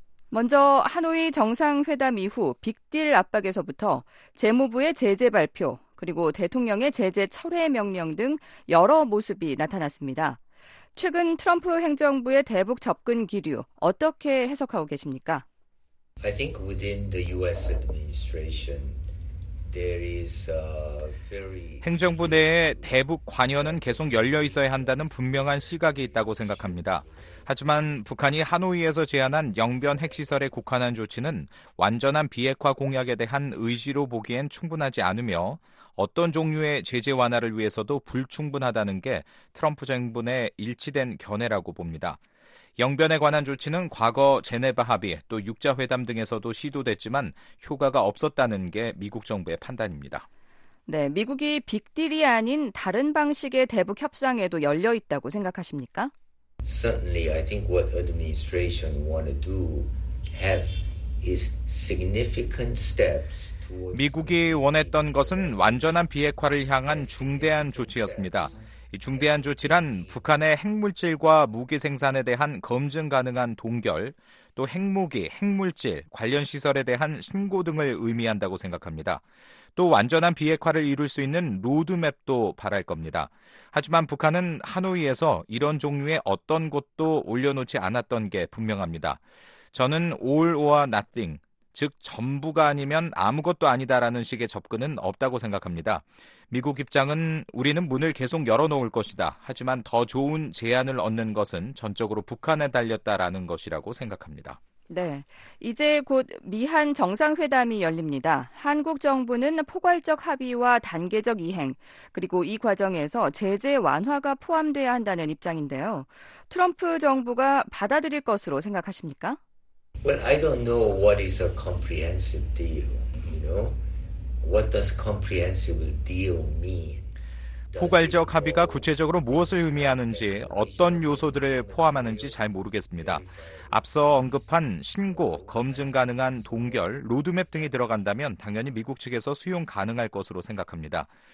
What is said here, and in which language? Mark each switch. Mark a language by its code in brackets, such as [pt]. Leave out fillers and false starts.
[ko] 먼저 하노이 정상회담 이후 빅딜 압박에서부터 재무부의 제재 발표, 그리고 대통령의 제재 철회 명령 등 여러 모습이 나타났습니다. 최근 트럼프 행정부의 대북 접근 기류 어떻게 해석하고 계십니까? [en] I think within the US administration there is a very [ko] 행정부 내에 대북 관여는 계속 열려 있어야 한다는 분명한 시각이 있다고 생각합니다. 하지만 북한이 하노이에서 제안한 영변 핵시설의 국한한 조치는 완전한 비핵화 공약에 대한 의지로 보기엔 충분하지 않으며 어떤 종류의 제재 완화를 위해서도 불충분하다는 게 트럼프 정부 내 일치된 견해라고 봅니다. 영변에 관한 조치는 과거 제네바 합의 또 6자회담 등에서도 시도됐지만 효과가 없었다는 게 미국 정부의 판단입니다. 네, 미국이 빅딜이 아닌 다른 방식의 대북 협상에도 열려 있다고 생각하십니까? [en] Certainly, I think what administration want to do have is significant steps. [ko] 미국이 원했던 것은 완전한 비핵화를 향한 중대한 조치였습니다. 이 중대한 조치란 북한의 핵물질과 무기 생산에 대한 검증 가능한 동결, 또 핵무기, 핵물질, 관련 시설에 대한 신고 등을 의미한다고 생각합니다. 또 완전한 비핵화를 이룰 수 있는 로드맵도 바랄 겁니다. 하지만 북한은 하노이에서 이런 종류의 어떤 것도 올려놓지 않았던 게 분명합니다. 저는 [en] all or nothing, [ko] 즉 전부가 아니면 아무것도 아니다라는 식의 접근은 없다고 생각합니다. 미국 입장은 우리는 문을 계속 열어놓을 것이다. 하지만 더 좋은 제안을 얻는 것은 전적으로 북한에 달렸다라는 것이라고 생각합니다. 네, 이제 곧 미한 정상회담이 열립니다. 한국 정부는 포괄적 합의와 단계적 이행, 그리고 이 과정에서 제재 완화가 포함돼야 한다는 입장인데요. 트럼프 정부가 받아들일 것으로 생각하십니까? [en] Well, I don't know what is a comprehensive deal. You know, what does comprehensive deal mean? [ko] 포괄적 합의가 구체적으로 무엇을 의미하는지 어떤 요소들을 포함하는지 잘 모르겠습니다. 앞서 언급한 신고, 검증 가능한 동결, 로드맵 등이 들어간다면 당연히 미국 측에서 수용 가능할 것으로 생각합니다.